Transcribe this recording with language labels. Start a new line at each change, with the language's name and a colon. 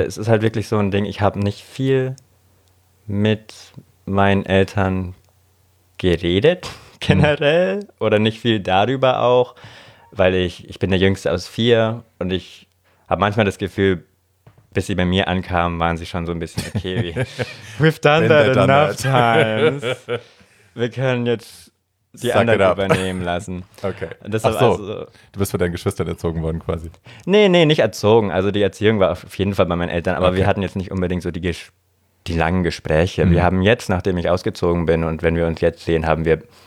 German: Mhm. Es ist halt wirklich so ein Ding, ich habe nicht viel mit meinen Eltern geredet. Generell oder nicht viel darüber auch, weil ich bin der Jüngste aus vier und ich habe manchmal das Gefühl, bis sie bei mir ankamen, waren sie schon so ein bisschen okay.
English: We've done that enough times.
German: Wir können jetzt die Suck anderen übernehmen lassen. Okay. Ach so, also, du bist von deinen Geschwistern erzogen worden quasi. Nee, nicht erzogen. Also die Erziehung war auf jeden Fall bei meinen Eltern, aber wir hatten jetzt nicht unbedingt so die langen Gespräche. Mhm. Wir haben jetzt, nachdem ich ausgezogen bin und wenn wir uns jetzt sehen, haben wir